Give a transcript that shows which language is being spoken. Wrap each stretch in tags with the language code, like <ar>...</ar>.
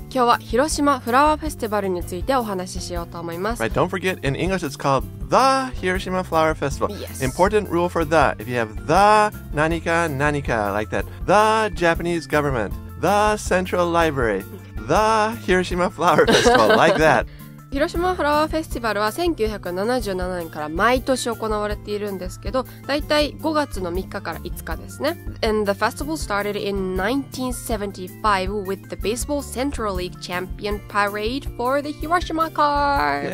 <ja>今日は広島フラワーフェスティバルについてお話ししようと思います。</ja> <en>Right, don't forget, in English it's called The Hiroshima Flower Festival. Yes. Important rule for the, if you have the</en> <ja>何か何か,</ja> <en>like that. The Japanese government, the Central Library, the Hiroshima Flower Festival, like that.</en> <ja>広島フラワーフェスティバルは1977年から毎年行われているんですけど、だいたい5月の3日から5日ですね。</ja> <en>And the festival started in 1975 with the Baseball Central League Champion Parade for the Hiroshima Cars.</en>